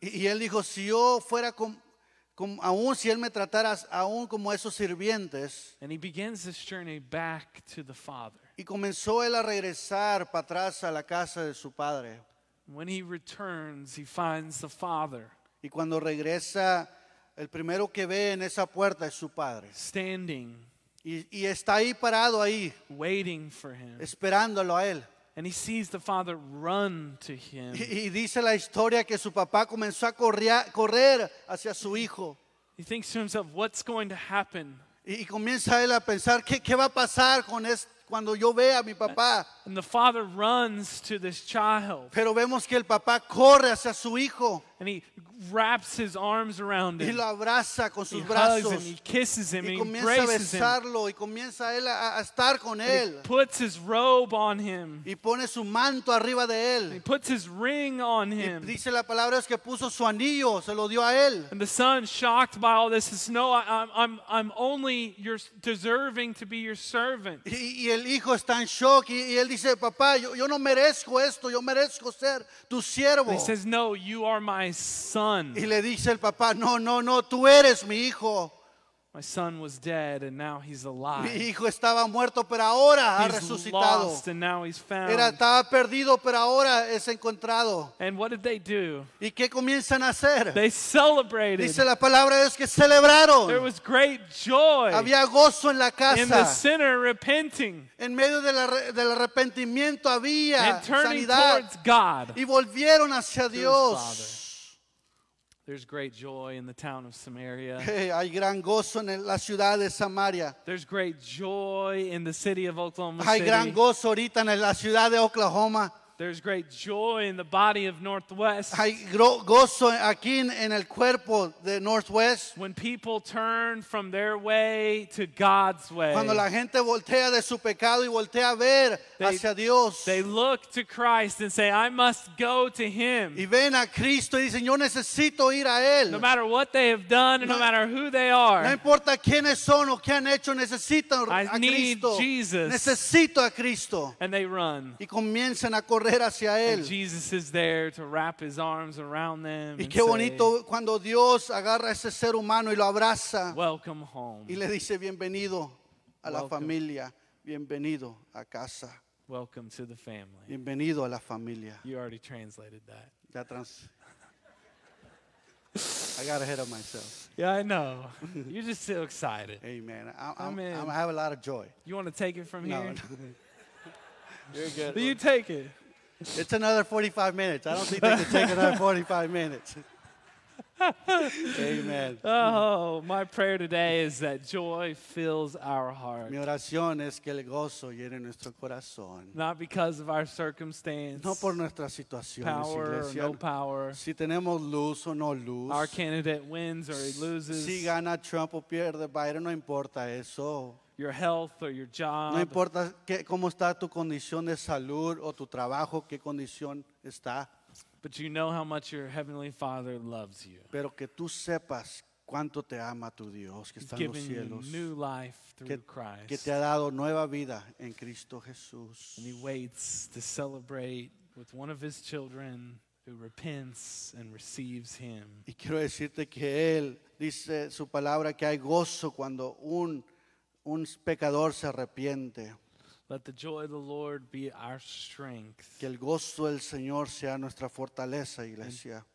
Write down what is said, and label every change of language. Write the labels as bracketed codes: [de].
[es] Y él dijo, si yo fuera aún si él me tratara aún como esos sirvientes. [en] And he begins his journey back to the father. [es] Y comenzó él a regresar para atrás a la casa de su padre. [en] When he returns, he finds the father. [es] Y cuando regresa el primero que ve en esa puerta es su padre. [en] Standing. [es] Y está ahí parado ahí. [en] Waiting for him. [es] Esperándolo a él. [en] And he sees the father run to him. [es] Y dice la historia que su papá comenzó a correr hacia su hijo. [en] He thinks to himself, what's going to happen? [es] Y comienza él a pensar, ¿qué va a pasar con esto? Cuando yo vea a mi papá. [en] And the father runs to this child. [es] Pero vemos que el papá corre hacia su hijo. [en] And he wraps his arms around him. [es] Y lo abraza con sus [en] he [es] brazos. [en] Hugs him, he kisses him, [es] y [en] and he embraces [es] a besarlo, [en] him. [es] Y comienza él a estar con él. [en] He puts his robe on him. [es] Y pone su manto arriba de él. [en] He puts his ring on him. [es] Y dice la palabra es que puso su anillo, se lo dio a él. [en] And the son, shocked by all this, says, "No, I'm only your deserving to be your servant." [es] Y el hijo está en shock y él dice, "Papá, yo no merezco esto, yo merezco ser tu siervo." [en] He says, "No, you are my son." [es] Y le dice el papá, "No, no, no, tú eres mi hijo." [en] My son was dead and now he's alive. [es] Mi hijo estaba muerto, pero ahora ha resucitado. [en] He's lost and now he's found. [es] Era estaba perdido, pero ahora es encontrado. [en] And what did they do? [es] ¿Y qué comienzan a hacer? [en] They celebrated. [es] Dice la palabra es que celebraron. [en] There was great joy. [es] Había gozo en la casa. [en] In the sinner repenting. [es] En medio del arrepentimiento había [en] sanidad. And turning towards God. [es] Y volvieron hacia Dios. [en] There's great joy in the town of Samaria. [es] Hey, hay gran gozo en la ciudad de Samaria. [en] There's great joy in the city of Oklahoma City. [es] Hay gran gozo ahorita en la ciudad de Oklahoma. [en] There's great joy in the body of Northwest. [es] Hay gozo aquí en el cuerpo de Northwest. [en] When people turn from their way to God's way. [es] Cuando la gente voltea de su pecado y voltea a ver hacia Dios. [en] They look to Christ and say, "I must go to Him." [es] Y ven a Cristo y dicen, "Yo necesito ir a Él." [en] No matter what they have done and no matter who they are. [es] No importa quiénes son o qué han hecho, necesitan a Cristo. [en] I need Jesus. [es] Necesito a Cristo. [en] And they run. [es] Y comienzan a hacia él. [en] And Jesus is there to wrap his arms around them. [es] Y qué [en] and [es] bonito [en] say, [es] cuando Dios agarra a ese ser humano y lo abraza. [en] Welcome home. [es] Y le dice bienvenido a la familia, bienvenido a casa. [en] Welcome to the family. [es] Bienvenido a la familia. [en] You already translated that. [es] Ya trans. [en] I got ahead of myself. Yeah, I know. You're just so excited. Amen. I have a lot of joy. You want to take it from here? No. You're good. Do you take it? It's another 45 minutes. I don't think they can take another 45 minutes. Amen. Oh, my prayer today is that joy fills our heart. [es] Mi oración es que el gozo llene nuestro corazón. [en] Not because of our circumstance. [es] No por nuestra situación. [en] Power [es] iglesia. [en] Or no power. [es] Si tenemos luz o no luz. [en] Our candidate wins or he loses. [es] Si gana Trump o pierde Biden, no importa eso. [en] Your health or your job. [es] No importa qué cómo está tu condición de salud o tu trabajo, qué condición está. [en] But you know how much your heavenly Father loves you. [es] Pero que tú sepas cuánto te ama tu Dios que está en los cielos. [en] Given you new life through Christ. [es] Que te ha dado nueva vida en Cristo Jesús. [en] And he waits to celebrate with one of his children who repents and receives him. [es] Y quiero decirte que él dice su palabra que hay gozo cuando un pecador se arrepiente. [en] Let the joy of the Lord be our strength. [es] Que el gozo del Señor sea nuestra fortaleza, iglesia.